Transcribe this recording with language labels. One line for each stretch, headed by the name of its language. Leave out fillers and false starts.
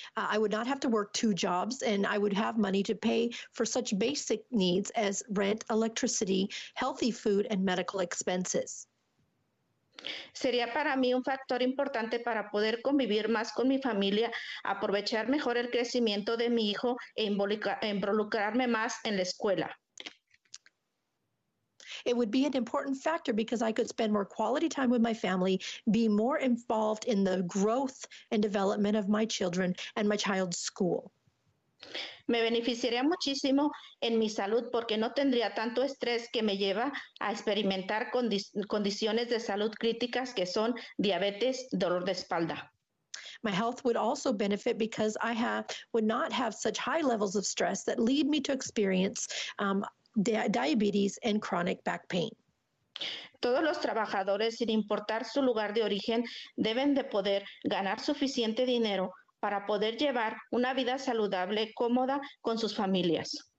English: I would not have to work two jobs, and I would have money to pay for such basic needs as rent, electricity, healthy food, and medical expenses.
Spanish: Sería para mí un factor importante para poder convivir más con mi familia, aprovechar mejor el crecimiento de mi hijo e involucrarme más en la escuela.
English: It would be an important factor because I could spend more quality time with my family, be more involved in the growth and development of my children and my child's school.
Spanish: Me beneficiaría muchísimo en mi salud porque no tendría tanto estrés que me lleva a experimentar condiciones de salud críticas que son diabetes, dolor de espalda.
English: My health would also benefit because I would not have such high levels of stress that lead me to experience diabetes and chronic back pain.
Spanish: Todos los trabajadores, sin importar su lugar de origen, deben de poder ganar suficiente dinero para poder llevar una vida saludable, cómoda con sus familias.